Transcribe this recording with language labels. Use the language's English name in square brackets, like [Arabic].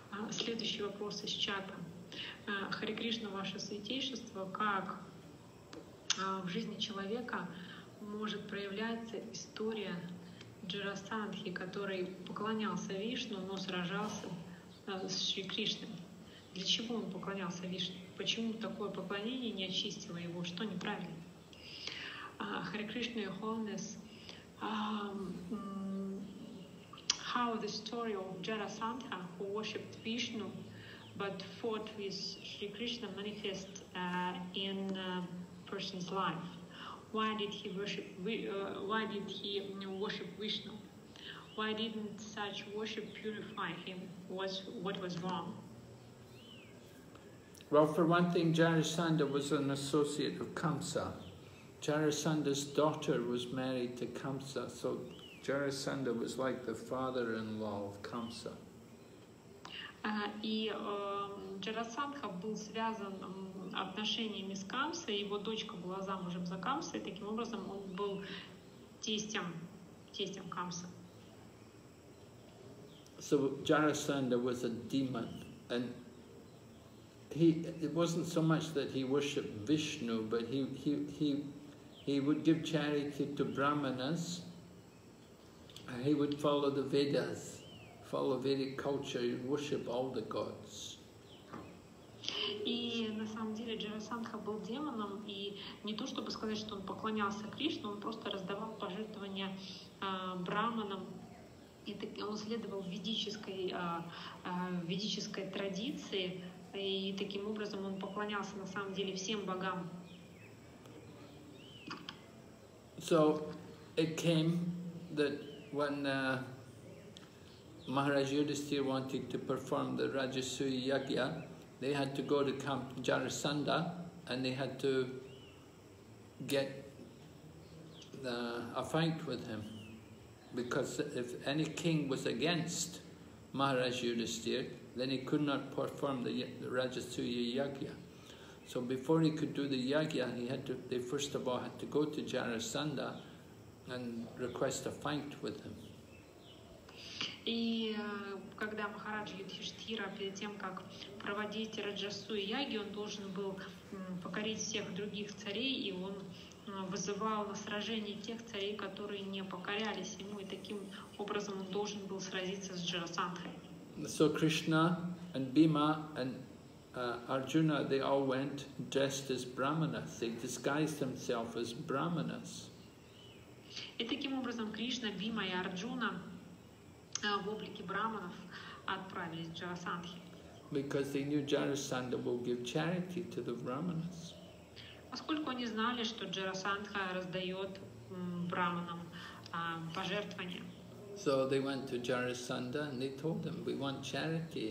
[Russian] Следующий вопрос из чата. Харе Кришна, ваше святейшество, как в жизни человека может проявляться история Джарасандхи, который поклонялся Вишну, но сражался с Шри Кришной? Для чего он поклонялся Вишне? Почему такое поклонение не очистило его? Что неправильно? [English] Харе Кришна, your holiness, how the story of Джарасандха, who worshipped Vishnu, but fought with Sri Krishna manifest in a person's life. Why did he worship Vishnu? Why didn't such worship purify him? What was wrong? Well, for one thing, Jarasandha was an associate of Kamsa. Jarasandha's daughter was married to Kamsa, so Jarasandha was like the father-in-law of Kamsa. [Russian] И Джарасандха был связан отношениями с Камсой, его дочка была замужем за Камсой, таким образом он был тестем Камсы. [English] So Jarasandha was a demon, and it wasn't so much that he worshipped Vishnu, but he would give charity to brahmanas, and he would follow the Vedas. Follow Vedic culture, you worship all the gods. [Russian] И на самом деле Джарасандха был демоном, и не то чтобы сказать, что он поклонялся Кришне, он просто раздавал пожертвования браманам, и он следовал ведической традиции, и таким образом он поклонялся на самом деле всем богам. [English] So it came that when Maharaj Yudhisthira wanted to perform the Rajasuya Yagya, they had to go to Camp Jarasandha and they had to get a fight with him. Because if any king was against Maharaj Yudhisthira, then he could not perform the Rajasuya Yagya. So before he could do the Yagya, they first of all had to go to Jarasandha and request a fight with him. [Russian] И когда Махарадж Юдхиштхира, перед тем, как проводить Раджасуя Яги, он должен был покорить всех других царей, и он вызывал на сражение тех царей, которые не покорялись ему, и таким образом он должен был сразиться с Джарасандхой. [English] So Krishna and Bhima and Arjuna, they all went dressed as brahmanas. They disguised themselves as brahmanas. [Russian] И таким образом Кришна, Бима и Арджуна в облике браманов отправились в Джарасандхи. [English] Because they knew Jarasandha will give charity to the brahmanas. [Russian] Поскольку они знали, что Джарасандха раздает браманам пожертвования. [English] So they went to Jarasandha and they told him, "We want charity."